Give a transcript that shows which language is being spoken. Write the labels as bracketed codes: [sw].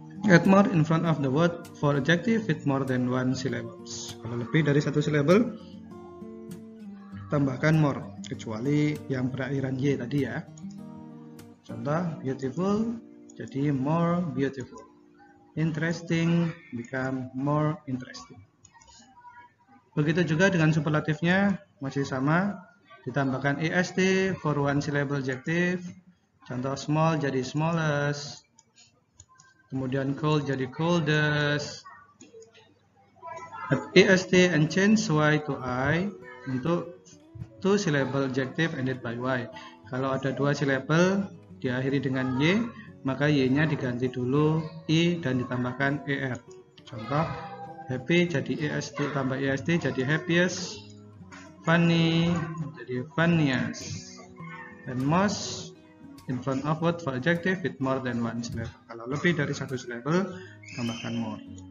[en] Add more in front of the word for adjective with more than one syllables. [id] Kalau lebih dari satu syllable, tambahkan more, kecuali yang berakhiran y tadi ya. Contoh beautiful jadi more beautiful. [en] Interesting become more interesting. [id] Begitu juga dengan superlatifnya. Masih sama, ditambahkan est [en] for one syllable adjective. [id] Contoh small jadi smallest, kemudian cold jadi coldest. [en] Add est and change y to i untuk two syllable adjective ended by y. [id] Kalau ada dua syllable diakhiri dengan y, maka y-nya diganti dulu i dan ditambahkan er. Contoh happy jadi est, tambah est jadi happiest. Funny, jadi funniest. [en] and must in front of word for adjective with more than one syllable. [id] Kalau lebih dari satu syllable, tambahkan more.